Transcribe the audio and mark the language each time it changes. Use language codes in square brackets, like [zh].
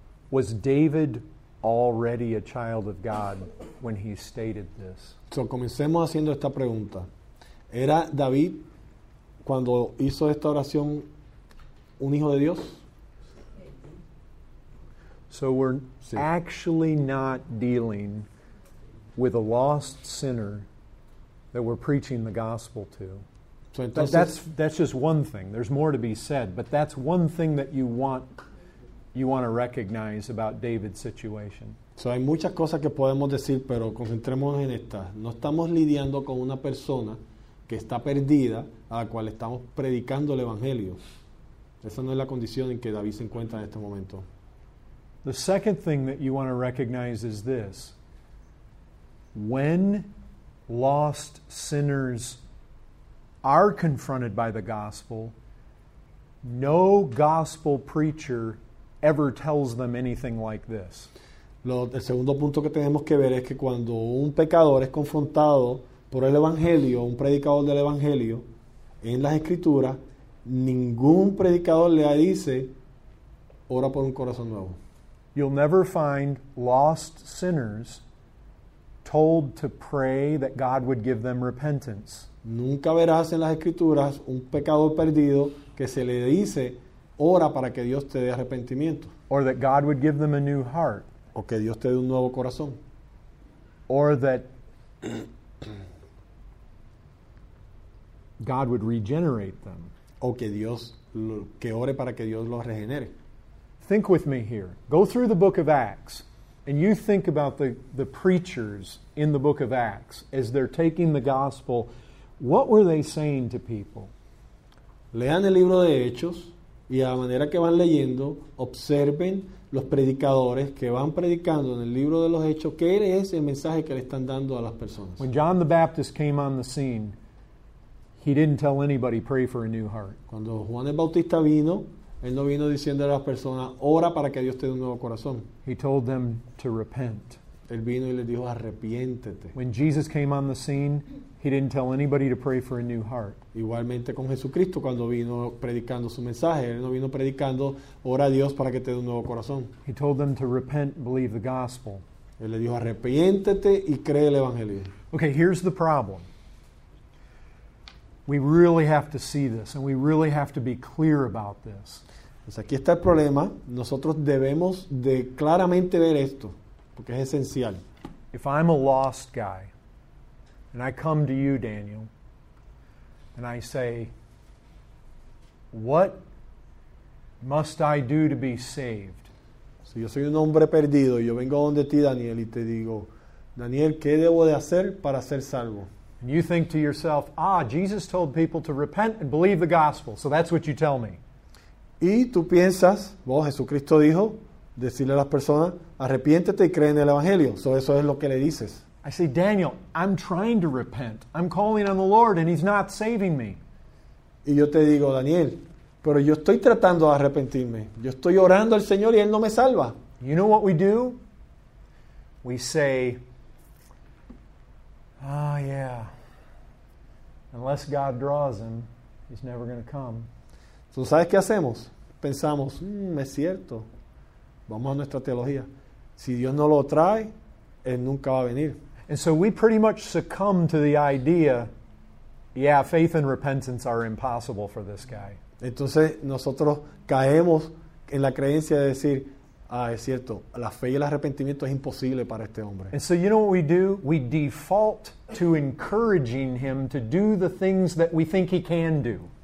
[en] Was David already a child of God when he stated this? [es] So, comencemos haciendo esta pregunta. ¿Era David, cuando hizo esta oración, un hijo de Dios? [en] So, we're actually not dealing with a lost sinner that we're preaching the gospel to. [es] So entonces, [en] that's just one thing. There's more to be said, but that's one thing that you want to recognize about David's situation. [es] So hay muchas cosas que podemos decir, pero concentrémonos en esta. No estamos lidiando con una persona que está perdida a la cual estamos predicando el evangelio. Esa no es la condición en que David se encuentra en este momento. [en] The second thing that you want to recognize is this. When lost sinners are confronted by the gospel, no gospel preacher ever tells them anything like this. [es] El segundo punto que tenemos que ver es que cuando un pecador es confrontado por el evangelio, un predicador del evangelio, en las escrituras, ningún predicador le dice, ora por un corazón nuevo. [en] You'll never find lost sinners told to pray that God would give them repentance. [es] Nunca verás en las escrituras un pecador perdido que se le dice, ora para que Dios te dé arrepentimiento. [en] Or that God would give them a new heart. [es] O que Dios te dé un nuevo corazón. [en] Or that God would regenerate them. [es] O que Dios, que ore para que Dios los regenere. [en] Think with me here. Go through the book of Acts. And you think about the preachers in the book of Acts as they're taking the gospel. What were they saying to people? [es] Lean el libro de Hechos y a la manera que van leyendo, observen los predicadores que van predicando en el libro de los Hechos, ¿qué es el mensaje que le están dando a las personas? [en] When John the Baptist came on the scene, he didn't tell anybody pray for a new heart. [es] Cuando Juan el Bautista vino, él no vino diciendo a las personas, ora para que Dios te dé un nuevo corazón. [en] He told them to repent. [es] Él vino y les dijo, arrepiéntete. [en] When Jesus came on the scene, he didn't tell anybody to pray for a new heart. [es] Igualmente con Jesucristo, cuando vino predicando su mensaje, él no vino predicando, ora a Dios para que te dé un nuevo corazón. [en] He told them to repent and believe the gospel. [es] Él le dijo, arrepiéntete y cree el evangelio. [en] Okay, here's the problem. We really have to see this, and we really have to be clear about this. [es] Pues aquí está el problema. Nosotros debemos de claramente ver esto, porque es esencial. [en] If I'm a lost guy, and I come to you, Daniel, and I say, what must I do to be saved? [es] Si yo soy un hombre perdido, yo vengo donde ti, Daniel, y te digo, Daniel, ¿qué debo de hacer para ser salvo? [en] And you think to yourself, ah, Jesus told people to repent and believe the gospel. So that's what you tell me. [es] Y tú piensas, vos, Jesucristo dijo, decirle a las personas, arrepiéntete y cree en el evangelio. So eso es lo que le dices. [en] I say, Daniel, I'm trying to repent. I'm calling on the Lord and he's not saving me. [es] Y yo te digo, Daniel, pero yo estoy tratando de arrepentirme. Yo estoy orando al Señor y él no me salva. [en] You know what we do? we say, oh yeah, unless God draws him, he's never going to come. [es] ¿Tú sabes qué hacemos? Pensamos, es cierto. Vamos a nuestra teología. Si Dios no lo trae, él nunca va a venir. [en] And so we pretty much succumb to the idea, yeah, faith and repentance are impossible for this guy. [es] Entonces nosotros caemos en la creencia de decir, ah, es cierto, la fe y el arrepentimiento es imposible para este hombre. [en] And so you know what we do? We default to encouraging him to do the things that we think he can do.